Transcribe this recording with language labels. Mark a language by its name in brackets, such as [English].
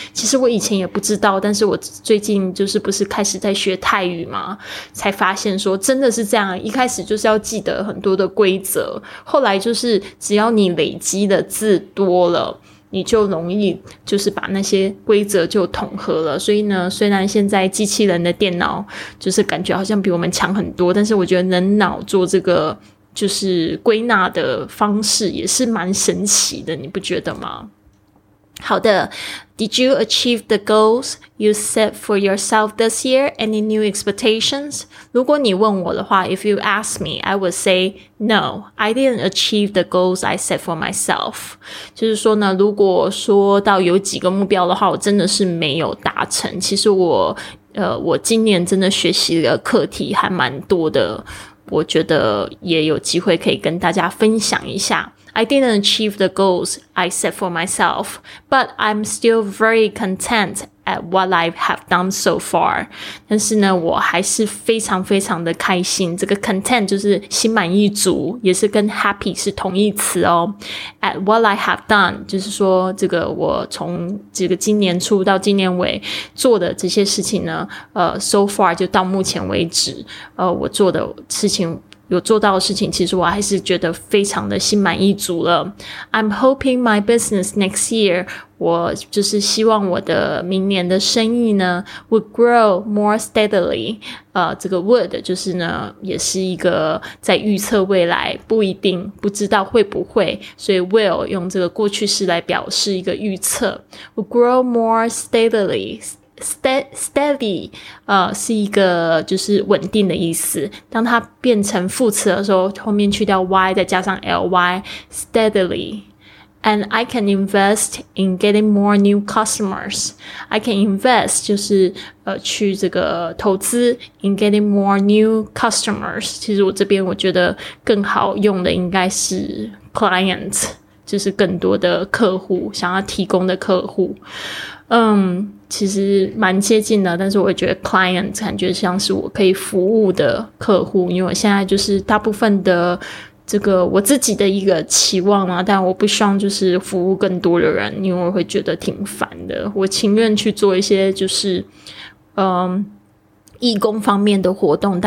[Chinese] 其实我以前也不知道，但是我最近就是不是开始在学泰语吗，才发现说真的是这样，一开始就是要记得很多的规则，后来就是只要你累积的字多了，你就容易就是把那些规则就统合了。所以呢虽然现在机器人的电脑就是感觉好像比我们强很多，但是我觉得人脑做这个就是归纳的方式也是蛮神奇的，你不觉得吗？ [English] 好的， Did you achieve the goals you set for yourself this year? Any new expectations? [Chinese] 如果你问我的话， [English] If you ask me, I would say no, I didn't achieve the goals I set for myself. [Chinese] 就是说呢，如果说到有几个目标的话，我真的是没有达成。其实我今年真的学习的课题还蛮多的，我觉得也有机会可以跟大家分享一下。 [English] I didn't achieve the goals I set for myself, but I'm still very content at what I have done so far. [Chinese] 但是呢，我还是非常非常的开心。这个 content 就是心满意足，也是跟 happy 是同义词哦。 [English] At what I have done [Chinese] 就是说，这个我从这个今年初到今年尾做的这些事情呢，so far 就到目前为止，我做的事情。有做到的事情，其实我还是觉得非常的心满意足了。 [English] I'm hoping my business next year, [Chinese] 我就是希望我的明年的生意呢 [English] would grow more steadily. [Chinese] 这个 would 就是呢，也是一个在预测未来，不一定，不知道会不会，所以 will 用这个过去式来表示一个预测。 [English] Would grow more steadily. [Chinese] Steady 是一个就是稳定的意思，当它变成副词的时候，后面去掉 y 再加上 ly steadily. [English] And I can invest in getting more new customers. I can invest [Chinese] 就是去这个投资 [English] in getting more new customers. [Chinese] 其实我这边我觉得更好用的应该是 client, 就是更多的客户，想要提供的客户。其实蛮接近的，但是我觉得 client 感觉像是我可以服务的客户，因为我现在就是大部分的这个我自己的一个期望嘛，但我不希望就是服务更多的人，因为我会觉得挺烦的，我情愿去做一些就是义工方面的活动。